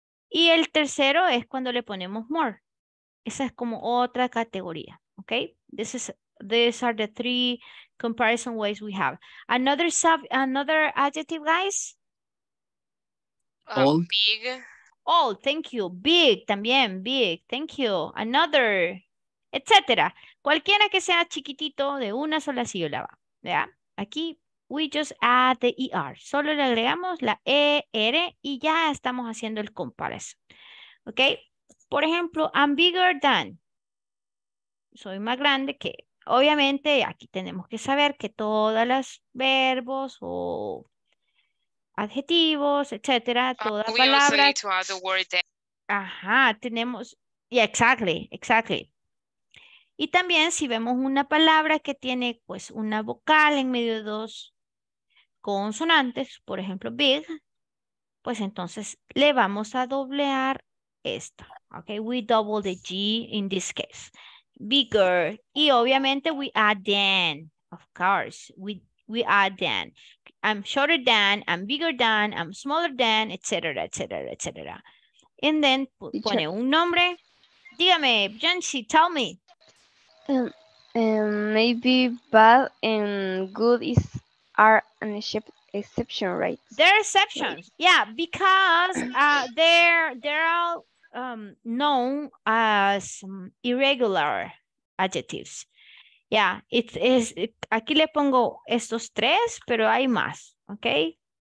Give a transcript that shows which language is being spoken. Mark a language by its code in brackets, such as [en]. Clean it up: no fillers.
[es] Y el tercero es cuando le ponemos more. Esa es como otra categoría, okay? [en] These are the three comparison ways we have. Another adjective, guys. Old. Big. Old, thank you. Big, también, big, thank you. Another, etc. [es] Cualquiera que sea chiquitito de una sola sílaba, ¿ya? Aquí, [en] we just add the ER. [es] Solo le agregamos la ER y ya estamos haciendo el comparison. ¿Ok? Por ejemplo, [en] I'm bigger than. [es] Soy más grande que. Obviamente, aquí tenemos que saber que todas las verbos o adjetivos, etcétera, toda palabra. [en] We also need to add the word that. [es] Ajá, tenemos. [en] Yeah, exactly. [es] Y también si vemos una palabra que tiene pues una vocal en medio de dos consonantes, por ejemplo, big, pues entonces le vamos a doblear esto. [en] Ok, we double the G in this case. Bigger. [es] Y obviamente [en] we add than. Of course, we add than. I'm shorter than, I'm bigger than, I'm smaller than, etc., etc., etc. And then [es] pone un nombre. Dígame, Jensi, [en] tell me. Maybe bad and good is are an exception, right? They're exceptions, yeah, because they're all known as irregular adjectives. [es] Yeah, aquí le pongo estos tres, pero hay más, ¿ok?